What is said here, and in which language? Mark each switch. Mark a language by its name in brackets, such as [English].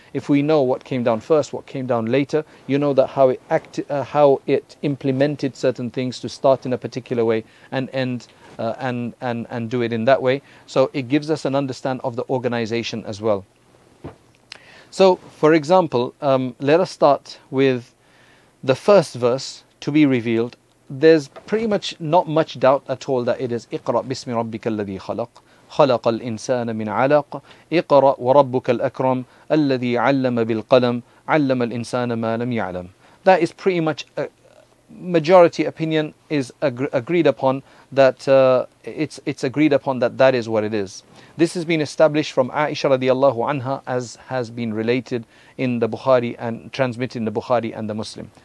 [English] If we know what came down first, what came down later, you know that how it implemented certain things to start in a particular way and end and do it in that way. So it gives us an understand of the organization as well. So, for example, let us start with the first verse to be revealed. There's pretty much not much doubt at all that it is [Arabic] اقرأ بسم ربك الذي خلق خلق الإنسان من علق اقرأ وربك الأكرم الذي علم بالقلم علم الإنسان ما لم يعلم. [English] That is pretty much a majority opinion is agreed upon that it's agreed upon that that is what it is. This has been established from Aisha radiallahu anha, as has been related in the Bukhari and transmitted in the Bukhari and the Muslim.